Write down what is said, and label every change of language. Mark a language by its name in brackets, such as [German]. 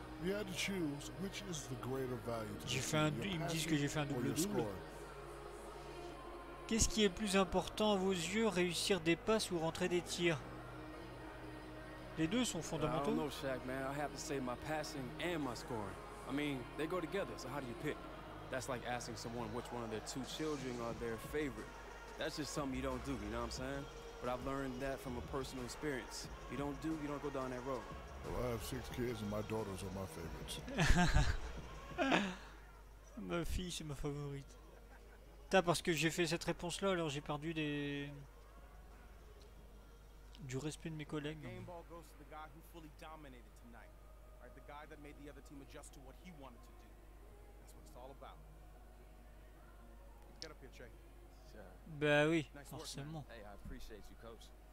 [English] You had to choose which is the greater value. [French] Ils me disent que j'ai fait un double-double. Qu'est-ce qui est plus important à vos yeux, réussir des passes ou rentrer des tirs? Les deux sont fondamentaux. [English] I don't know, Shaq, man. I have to say my passing and my scoring. I mean, they go together, so how do you pick? That's like asking someone which one of their two children are their favorite. That's just something you don't do, you know what I'm saying? But I've learned that from a personal experience. You don't do, you don't go down that road. Well, I have six kids and my daughters are my favorites. [French] Ma fille, c'est ma favorite. T'as parce que j'ai fait cette réponse-là, alors j'ai perdu du respect de mes collègues. [English] Game ball goes to the guy who fully dominated tonight. Right, the guy that made the other team adjust to what he wanted to do. That's what it's all about. Get up here, Jake. [French] Bah oui, forcément. [English] Hey, I appreciate you, coach.